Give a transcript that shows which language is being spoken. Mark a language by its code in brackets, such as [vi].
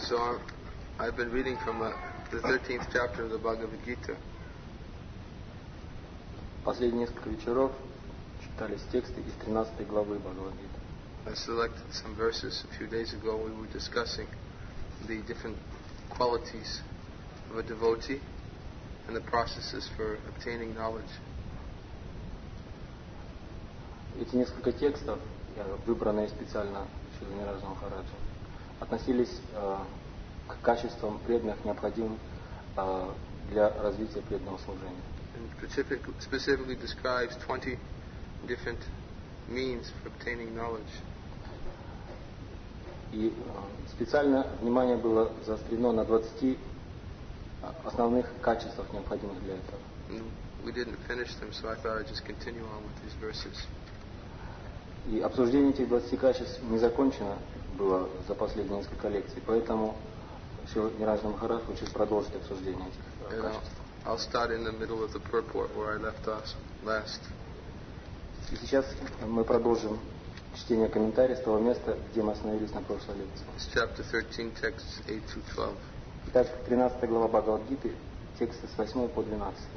[en] So I've been reading from the 13th chapter of the Bhagavad Gita. [ru] Последние несколько вечеров читались тексты из 13 главы Бхагавад Гиты. [en] I selected some verses a few days ago. We were discussing the different qualities of a devotee and the processes for obtaining knowledge. [ru] Эти несколько текстов, выбранные специально Шрила Нираджа Махараджа, относились к качествам преданных, необходимым для развития преданного служения. [en] And specifically describes 20 different means for obtaining knowledge. [ru] И специально внимание было заострено на 20 основных качествах, необходимых для этого. [en] We didn't finish them, so I thought I'd just continue on with these verses. [ru] И обсуждение этих 20 качеств не закончено было за последние несколько лекций, поэтому Шрила Нираджа Махарадж хочет продолжить обсуждение этих качеств. [en] I'll start in the middle of the purport where I left off last. [ru] И сейчас мы продолжим чтение комментария с того места, где мы остановились на прошлой лекции. [en] It's chapter 13, texts 8 to 12. [ru] Итак, 13 глава Бхагавад-гиты, тексты с 8 по 12.